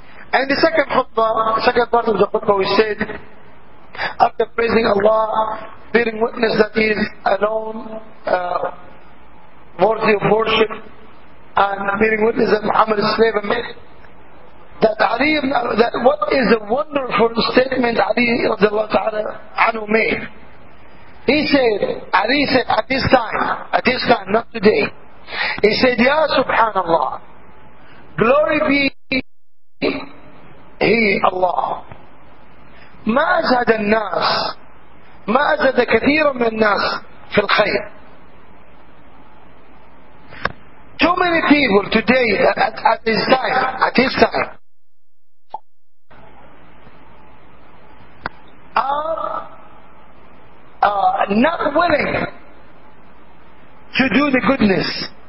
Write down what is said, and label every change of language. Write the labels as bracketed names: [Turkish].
[English] And the second khutbah, second part of the khutbah, we said, after praising Allah, bearing witness that He is alone, worthy of worship, and bearing witness that Muhammad is slave and man, that Ali, that what is a wonderful statement Ali radiallahu ta'ala anhu made. He said, Ali said, at this time, not today, he said, Ya subhanAllah, glory be He, Allah. [Arabic] ما أزهد الناس ما أزهد كثيرا من الناس في الخير. [English] Too many people today at his time are not willing to do the goodness.